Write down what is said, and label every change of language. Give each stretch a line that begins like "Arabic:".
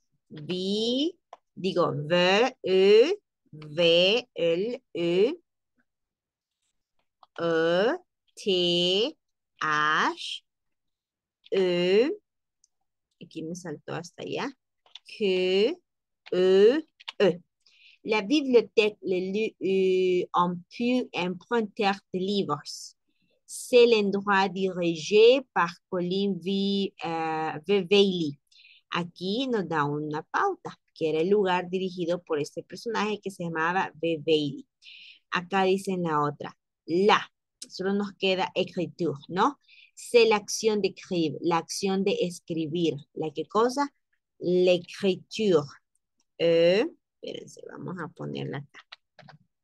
Spanish: Vi, digo, v, e, v, l, e, e, t, h, e, aquí me saltó hasta allá. Q, E, E.
French: La bibliothèque le lieu où on peut emprunter des livres. C'est l'endroit dirigé par Colin Vivelli.
Spanish: Aquí nos da una pauta, que era el lugar dirigido por este personaje que se llamaba Vivelli. Acá dicen la otra. La. Solo nos queda écriture, ¿no?
French: C'est l'action d'écrire,
Spanish: la acción de escribir. ¿La qué cosa? L'écriture. Espérense, vamos a ponerla acá.